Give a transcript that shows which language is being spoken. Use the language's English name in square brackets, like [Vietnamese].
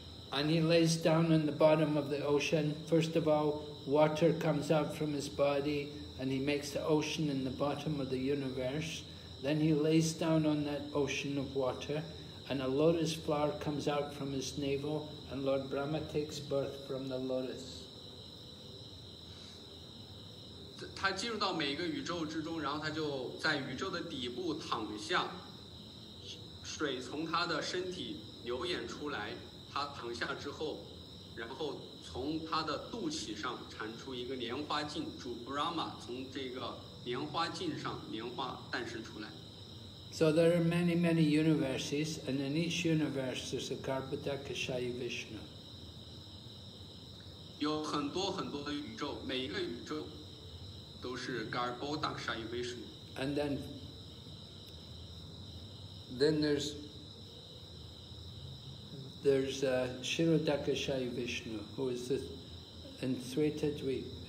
[English] And he lays down in the bottom of the ocean, first of all,Water comes out from his body, and he makes the ocean in the bottom of the universe. Then he lays down on that ocean of water, and a lotus flower comes out from his navel, and Lord Brahma takes birth from the lotus. [Chinese] 他进入到每个宇宙之中，然后他就在宇宙的底部躺下，水从他的身体流眼出来，他他躺下之后，然后从他的肚脐上产出一个莲花镜，主 Brahma 从这个莲花镜上莲花诞生出来。 [English] So there are many, many universes, and in each universe there's a Garbhodak Kshaya Vishnu. [Chinese] 有很多很多的宇宙，每一个宇宙都是 Garbhodak Kshaya Vishnu. [English] And then there's a Shirodak Kshaya Vishnu, who is this, in Sweta Dweep.